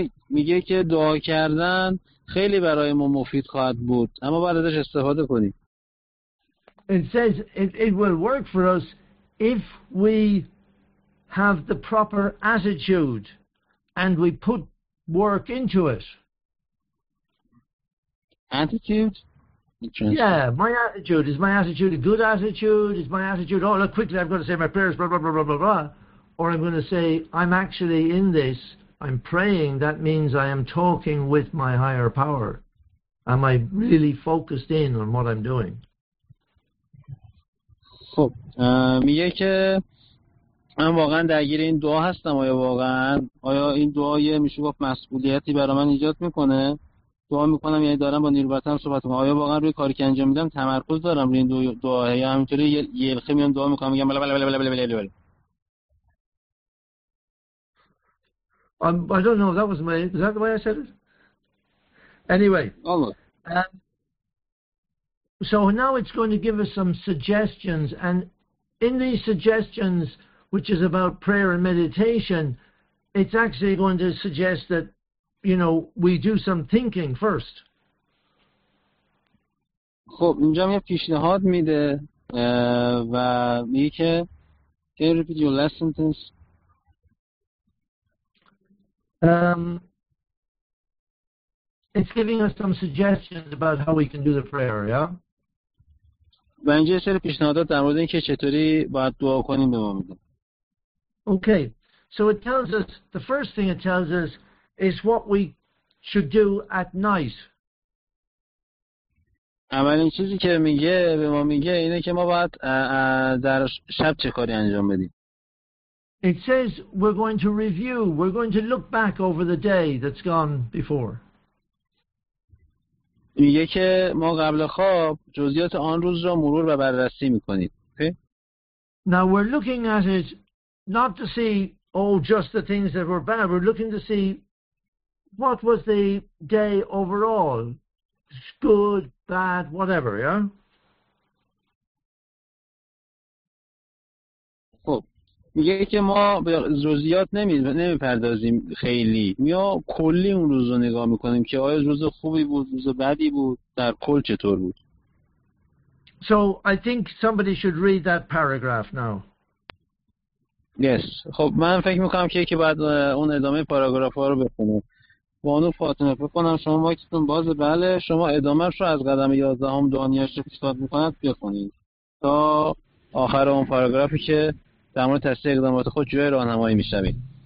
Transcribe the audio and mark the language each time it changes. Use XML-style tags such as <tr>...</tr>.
<fa>میگه که دعا کردن خیلی برای ما مفید خواهد بود، اما بعد ازش استفاده کنیم.</fa> <en>It says it will work for us if we have the proper attitude and we put work into it. Attitude? Yeah, my attitude. Is my attitude a good attitude? Is my attitude, oh, look, quickly, I'm going to say my prayers, blah, blah, blah, blah, blah, blah. Or I'm going to say, I'm actually in this. I'm praying. That means I am talking with my higher power. Am I really focused in on what I'm doing?</en> <fa>خب میگه که من واقعا درگیر این دعا هستم، آیا واقعا آیا این دعای میشه گفت مسئولیتی برای من ایجاد میکنه؟ دعا میکنم، یعنی دارم با نیروبتم صحبت میکنم، آیا واقعا روی کاری که انجام میدم تمرکز دارم روی این دعا، یا همینطوری یلخه میام دعا میکنم میگم بله بله بله بله بله بله بله.</fa> <en>I don't know, that was my, is that the way I said it? Anyway. So now it's going to give us some suggestions, and in these suggestions, which is about prayer and meditation, it's actually going to suggest that, you know, we do some thinking first.</en> <fa>خب اینجا یه پیشنهاد میده و میگه که</fa> <en>can you repeat your last sentence? It's giving us some suggestions about how we can do the prayer, yeah?</en> <fa>و اینجا یه سری پیشنهادات در مورد اینکه چطوری باید دعا کنیم به ما میده.</fa> <en>Okay, so it tells us, the first thing it tells us is what we should do at night.</en> <fa>اولین چیزی که میگه به ما میگه اینه که ما باید در شب چه کاری انجام بدیم.</fa> <en>It says we're going to review, we're going to look back over the day that's gone before.</en> <fa>میگه که ما قبل خواب جزئیات آن روز را مرور و بررسی میکنیم.</fa> <en>Now we're looking at it not to see all just the things that were bad, we're looking to see what was the day overall, good, bad, whatever, yeah?</en> <fa>خب میگه که ما به جزئیات نمیپردازیم خیلی، یا کلی اون روز رو نگاه میکنیم که آیا روز خوبی بود، روز بدی بود، در کل چطور بود.</fa> <en>So I think somebody should read that paragraph now. Yes.</en> <fa>خب من فکر میکنم که بعد اون ادامه پاراگراف ها رو بخونه. بانو فاطمه فکر کنم شما وایستون بازه. بله، شما ادامه رو از قدم 11 هم دانیش رو پیشتاد میکنند بخونید تا آخر اون پاراگرافی که در مورد تصدیق اقدامات خود جوی راهنمایی میشوید.</fa>